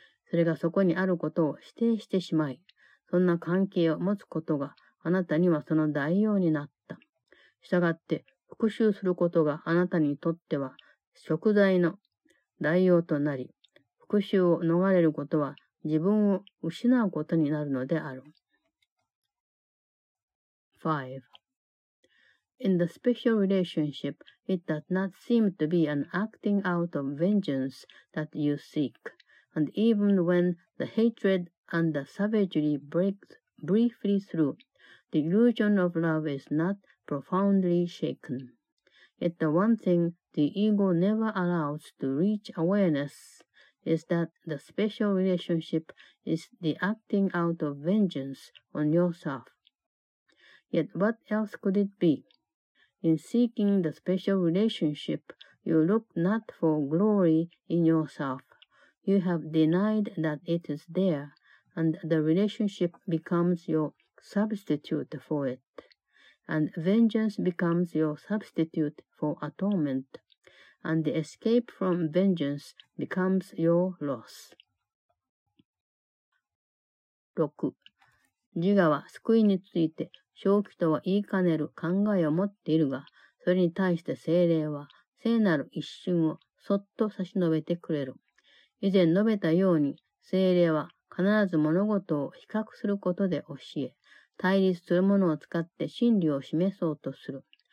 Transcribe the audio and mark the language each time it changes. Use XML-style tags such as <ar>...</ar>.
<ja>それがそこにあることを否定してしまい、そんな関係を持つことがあなたにはその代用になった。したがって、復讐することがあなたにとっては、食材の代用となり、復讐を逃れることは、自分を失うことになるのである。 5.</ja> <en>In the special relationship, it does not seem to be an acting out of vengeance that you seek, and even when the hatred and the savagery breaks briefly through,The illusion of love is not profoundly shaken. Yet the one thing the ego never allows to reach awareness is that the special relationship is the acting out of vengeance on yourself. Yet what else could it be? In seeking the special relationship, You look not for glory in yourself. You have denied that it is there, and the relationship becomes your substitute for it. And vengeance becomes your substitute for atonement, and the escape from vengeance becomes your loss. 6.</en> <ja>自我は救いについて正気とは言いかねる考えを持っているが、それに対して聖霊は聖なる一瞬をそっと差し伸べてくれる。以前述べたように、聖霊は必ず物事を比較することで教え、対立するものを使って真理を示そうとする。</ja>